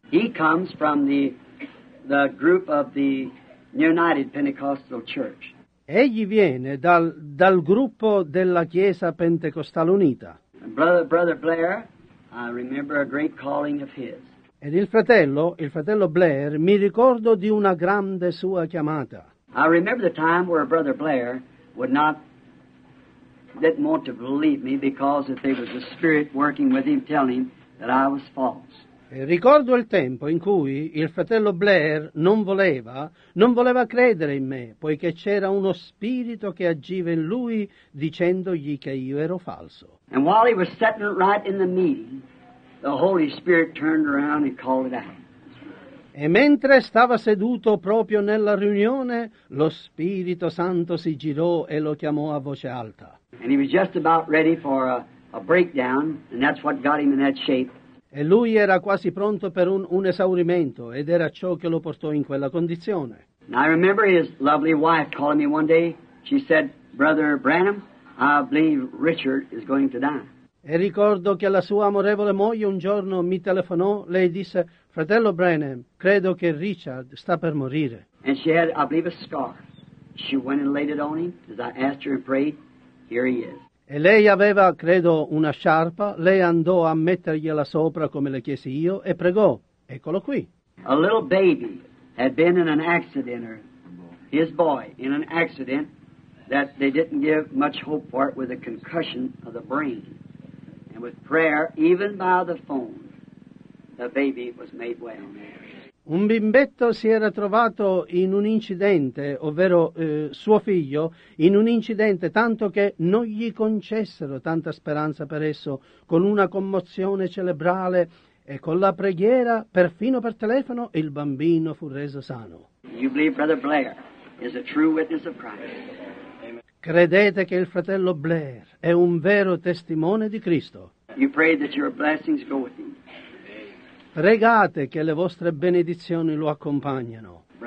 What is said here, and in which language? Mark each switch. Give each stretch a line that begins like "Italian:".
English: He comes from the group of the United Pentecostal Church.
Italian: Egli viene dal gruppo della Chiesa Pentecostale Unita.
English: Brother Blair, I remember a great calling of his.
Italian: Ed il fratello Blair, mi ricordo di una grande sua chiamata.
English: I remember the time where Brother Blair didn't want to believe me because if there was a spirit working with him telling him that I was false.
Italian: Ricordo il tempo in cui il fratello Blair non voleva credere in me, poiché c'era uno spirito che agiva in lui dicendogli che io ero falso.
English: And while he was sitting right in the meeting, the Holy Spirit turned around and called it out.
Italian: E mentre stava seduto proprio nella riunione, lo Spirito Santo si girò e lo chiamò a voce alta.
English: And he was just about ready for a breakdown, and that's what got him in that shape.
Italian: E lui era quasi pronto per un esaurimento, ed era ciò che lo portò in quella condizione.
English: And I remember his lovely wife calling me one day. She said, "Brother Branham, I believe Richard is going to die."
Italian: E ricordo che la sua amorevole moglie un giorno mi telefonò. Lei disse, "Fratello Branham, credo che Richard sta per morire."
English: And she had, I believe, a scar. She went and laid it on him. As I asked her and prayed, here he is.
Italian: E lei aveva, credo, una sciarpa. Lei andò a mettergliela sopra, come le chiesi io, e pregò. Eccolo qui.
English: A little baby had been in an accident, or his boy, in an accident that they didn't give much hope for it with a concussion of the brain. And with prayer, even by the phone, the baby was made well.
Italian: Un bimbetto si era trovato in un incidente, ovvero suo figlio, in un incidente tanto che non gli concessero tanta speranza per esso, con una commozione cerebrale e con la preghiera, perfino per telefono, il bambino fu reso sano.
English: You believe Brother Blair is a true witness of Christ?
Italian: Credete che il fratello Blair è un vero testimone di Cristo?
English: You pray that your blessings go with him.
Italian: Pregate che le vostre benedizioni lo accompagnano.